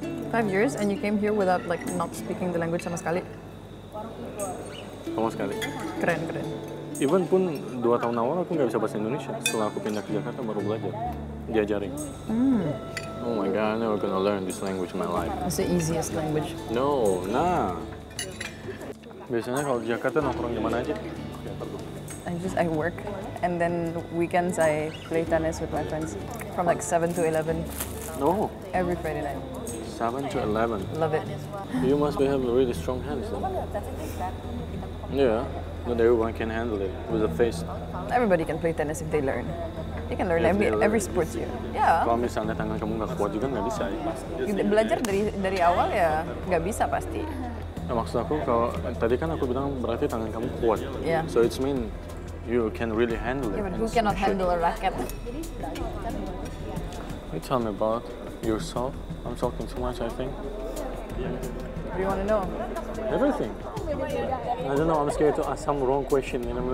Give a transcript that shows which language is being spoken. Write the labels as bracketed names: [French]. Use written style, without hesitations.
[English] 5 years and you came here without like not speaking the language [Indonesian] sama sekali? Sama sekali. Keren, keren. Even pun 2 tahun awal aku gak bisa bahasa Indonesia. Setelah aku pindah ke Jakarta baru belajar. Diajarin. [English] Oh my God, I'm never gonna learn this language in my life. It's the easiest language. [Indonesian] No, nah. Biasanya kalau di Jakarta nongkrong gimana aja? [English] I work and then weekends I play tennis with my friends from like 7 to 11. No. Every Friday night. 7 to 11. Love it. You must have really strong hands then. Yeah, not everyone can handle it with a face. Everybody can play tennis if they learn. You can learn every sport here. Yeah. [Indonesian] Kalau misalnya tangan kamu nggak kuat juga nggak bisa ya. Belajar dari awal ya nggak bisa pasti. Ya, maksud aku kalau tadi kan aku bilang berarti tangan kamu kuat. [English] Yeah. So it's mean you can really handle it. Yeah, but who cannot handle a racket? You tell me about yourself. I'm talking too much, I think. What do you want to know? Everything. I don't know, I'm scared to ask some wrong question.